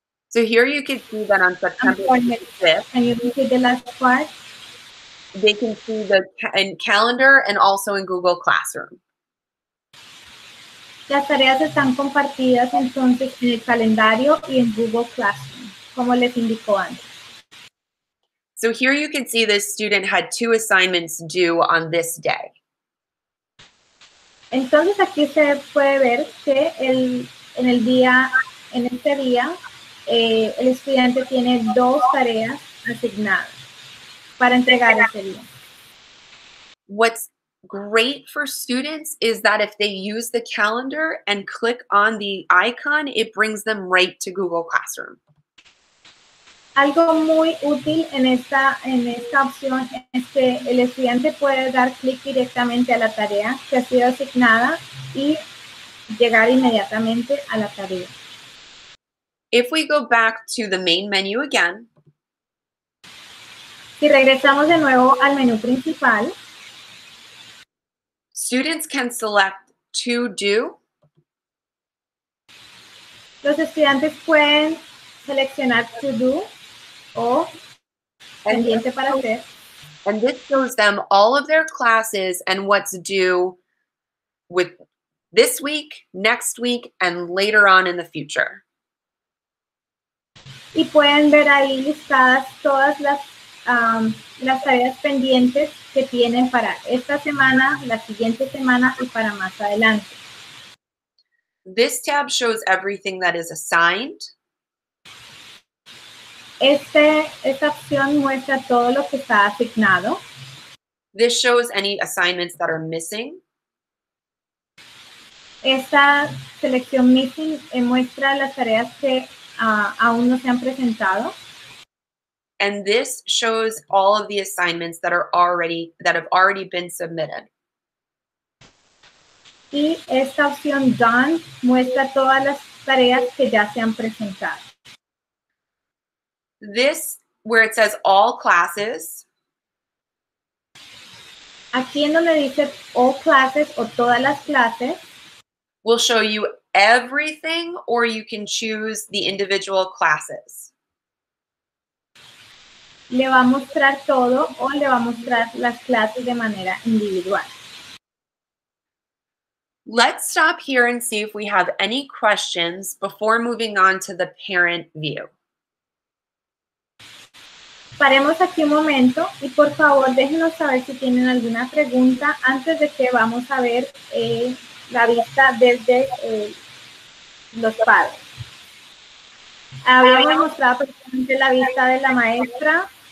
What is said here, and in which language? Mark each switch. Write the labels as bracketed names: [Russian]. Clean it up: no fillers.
[English] So here you can see that on September 5th, and you can see the last part. They can see the calendar and also in Google Classroom. [Spanish] Las tareas están compartidas entonces en el calendario y en Google Classroom, como les indicó antes. [English] So here you can see this student had two assignments due on this day. [Spanish] Entonces aquí se puede ver que en este día. El estudiante tiene dos tareas asignadas para entregar ese día. [English] What's great for students is that if they use the calendar and click on the icon, it brings them right to Google Classroom. [Spanish] Algo muy útil en esta opción es que el estudiante puede dar clic directamente a la tarea que ha sido asignada y llegar inmediatamente a la tarea. [English] If we go back to the main menu again, [Spanish] si regresamos de nuevo al menú principal, [English] students can select to do. [Spanish] Los estudiantes pueden seleccionar to do o pendiente para hacer. [English] And this shows them all of their classes and what's due with this week, next week, and later on in the future. [Spanish] Y pueden ver ahí listadas todas las tareas pendientes que tienen para esta semana, la siguiente semana, y para más adelante. [English] This tab shows everything that is assigned. [Spanish] Esta opción muestra todo lo que está asignado. [English] This shows any assignments that are missing. [Spanish] Esta selección missing muestra las tareas que aún no se han presentado. [English] And this shows all of the assignments that are already that have already been submitted. [Spanish] Y esta opción done muestra todas las tareas que ya se han presentado. [English] This, where it says all classes. [Spanish] Aquí en donde dice all classes o todas las clases. [English] Will show you everything, or you can choose the individual classes. [Spanish] Le va a mostrar todo o le va a mostrar las clases de manera individual. [English] Let's stop here and see if we have any questions before moving on to the parent view. [Spanish] Paremos aquí un momento y por favor déjenos saber si tienen alguna pregunta antes de que vamos a ver la vista desde los padres. Habíamos mostrado precisamente la vista de la maestra.